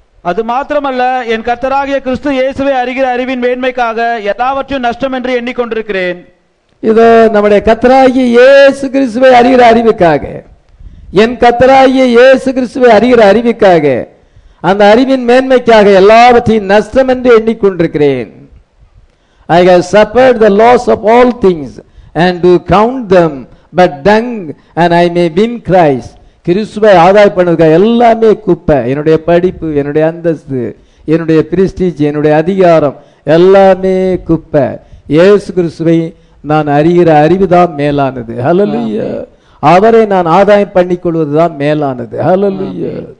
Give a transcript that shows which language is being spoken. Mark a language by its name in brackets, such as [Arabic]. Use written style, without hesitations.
[Tamil] அது மாத்திரமல்ல, என் கர்த்தராகிய கிறிஸ்து இயேசுவை அறிகிற அறிவின் மேன்மைக்காக எல்லாவற்றையும் நஷ்டம் என்று எண்ணிக்கொண்டிருக்கிறேன். இதோ நம்முடைய கர்த்தராகிய இயேசு கிறிஸ்துவை அறிகிற அறிவுக்காக, என் கர்த்தராகிய இயேசு கிறிஸ்துவை அறிகிற அறிவுக்காக, அந்த அறிவின் மேன்மைக்காக எல்லாவற்றையும் நஷ்டம் என்று எண்ணிக்கொண்டிருக்கிறேன். [English] I have suffered the loss of all things and to count them but dung and I may win Christ. [Tamil] கிறிஸ்துவை ஆதாய பண்ணதுக்காக எல்லாமே குப்பை. என்னுடைய படிப்பு, என்னுடைய அந்தஸ்து, என்னுடைய பிரஸ்டீஜ், என்னுடைய அதிகாரம் எல்லாமே குப்பை. இயேசு கிறிஸ்துவை நான் அறிகிற அறிவு தான் மேலானது. ஹல்லேலூயா. அவரை நான் ஆதாயம் பண்ணிக்கொள்வது தான் மேலானது. ஹல்லேலூயா.